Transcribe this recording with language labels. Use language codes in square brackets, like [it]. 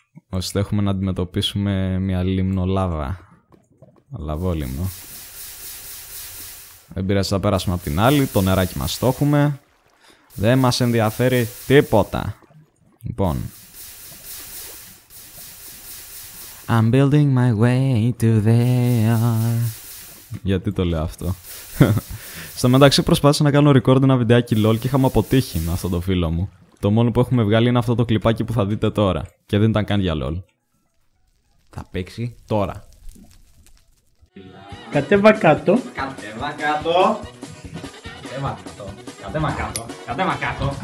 [el] Ώστε έχουμε να αντιμετωπίσουμε μια λίμνο λάβα. Λαβόλιμνο. Δεν πειράζει, θα πέρασουμε από την άλλη. Το νεράκι μας το έχουμε. Δεν μας ενδιαφέρει τίποτα. Λοιπόν. [en] I'm building my way to there. [el] Γιατί το λέω αυτό? Στο μεταξύ προσπάθησα να κάνω record ένα βιντεάκι LOL και είχαμε αποτύχει με αυτό το φίλο μου. Το μόνο που έχουμε βγάλει είναι αυτό το κλιπάκι που θα δείτε τώρα. Και δεν ήταν καν για LOL. Θα παίξει τώρα. Κατέβα κάτω. Κατέβα κάτω. Κατέβα κάτω. Κατέβα κάτω. Κατέβα κάτω.